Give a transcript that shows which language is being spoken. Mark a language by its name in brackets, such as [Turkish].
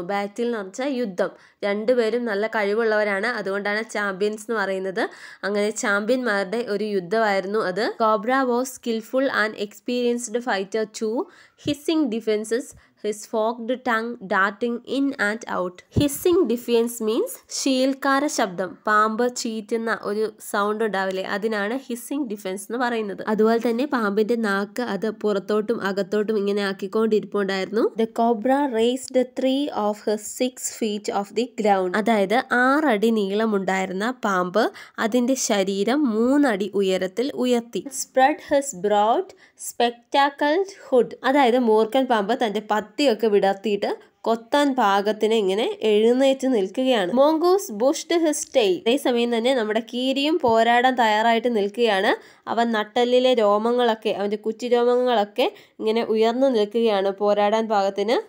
[Malayalam] ബാറ്റിൽ എന്ന് പറഞ്ഞാൽ യുദ്ധം. രണ്ടുപേരും നല്ല കഴിവുള്ളവരാണ്, അതുകൊണ്ടാണ് ചാമ്പ്യൻസ് എന്ന് പറയുന്നത്. അങ്ങനെ ചാമ്പ്യന്മാരുടെ ഒരു യുദ്ധമായിരുന്നു അത്. [English] Cobra was skilful and experienced fighter to hissing defences His forked tongue darting in and out. Hissing defense means [Malayalam] ശീൽക്കാര ശബ്ദം. പാമ്പ് ചീറ്റുന്ന ഒരു സൗണ്ട് ഉണ്ടാവില്ലേ, അതിനാണ് ഹിസ്സിംഗ് ഡിഫൻസ് എന്ന് പറയുന്നത്. അതുപോലെ തന്നെ പാമ്പിന്റെ നാക്ക് അത് പുറത്തോട്ടും അകത്തോട്ടും ഇങ്ങനെ ആക്കിക്കൊണ്ടിരിപ്പുണ്ടായിരുന്നു. [English] The cobra raised three of her six feet of the ground. [Malayalam] അതായത് 6 അടി നീളമുണ്ടായിരുന്ന പാമ്പ് അതിന്റെ ശരീരം 3 അടി ഉയരത്തിൽ ഉയർത്തി. [English] Spread his broad spectacled hood. [Malayalam] അതായത് മൂർഖൻ പാമ്പ് തന്റെ പത്തിയൊക്കെ വിടർത്തിയിട്ട് കൊത്താൻ പാകത്തിന് ഇങ്ങനെ എഴുന്നേറ്റ് നിൽക്കുകയാണ്. [English] Mongoose bushed his tail. [Malayalam] അതേ സമയം തന്നെ നമ്മുടെ കീരിയും പോരാടാൻ തയ്യാറായിട്ട് നിൽക്കുകയാണ്. അവൻ നട്ടലിലെ രോമങ്ങളൊക്കെ, അവൻ്റെ കുറ്റി രോമങ്ങളൊക്കെ ഇങ്ങനെ ഉയർന്നു നിൽക്കുകയാണ് പോരാടാൻ പാകത്തിന്.